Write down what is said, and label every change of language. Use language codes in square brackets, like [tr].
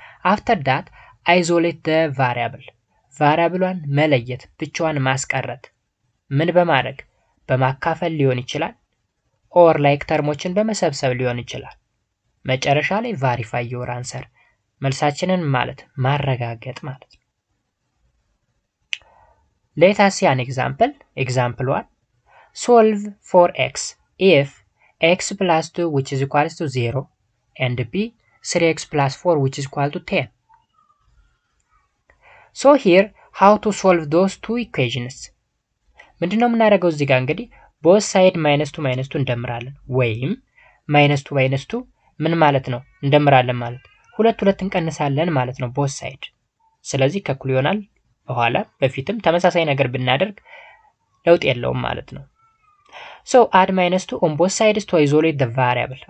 [en] አፍተር ዳት አይዞሌት ዘ ቫሪያብል። [am] ቫሪያብሏን መለየት ብቻዋን ማስቀረት ምን በማድረግ በማካፈል ሊሆን ይችላል ኦር ላይክ ተርሞችን በመሰብሰብ ሊሆን ይችላል። መጨረሻ ላይ [en] ቫሪፋይ ዮር አንሰር [am] መልሳችንን ማለት ማረጋገጥ ማለት ነው። [en] Let us see an example. Example 1. Solve for x if x plus 2 which is equal to 0 and b 3x plus 4 which is equal to 10. So here, how to solve those two equations? [am] ምንድነው የምናደርገው እዚህ ጋር እንግዲህ [en] both side minus 2 minus 2 [am] እንደምራለን ወይም minus 2 minus 2 ምን ማለት ነው እንደምራለን ማለት ሁለት ሁለት እንቀንሳለን ማለት ነው both side። ስለዚህ ከኩል ይሆናል በኋላ በፊትም ተመሳሳይ ነገር ብናደርግ ለውጥ የለውም ማለት ነው። [en] So add minus 2 on both sides to isolate the variable.